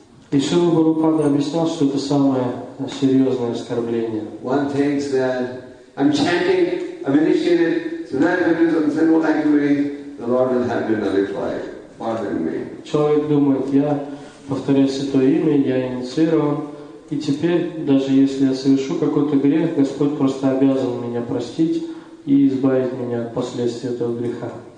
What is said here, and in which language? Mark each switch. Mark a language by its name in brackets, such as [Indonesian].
[Russian] И Шрила Гурупада объяснял, что это самое серьезное оскорбление. [English] One thinks that I'm chanting, I'm initiated, so now if I do some sinful activity, the Lord will have me nullify, pardon me. [Russian] Человек думает, я повторяю Святое Имя, я инициирован, и теперь, даже если я совершу какой-то грех, Господь просто обязан меня простить, и избавить меня от последствий этого греха.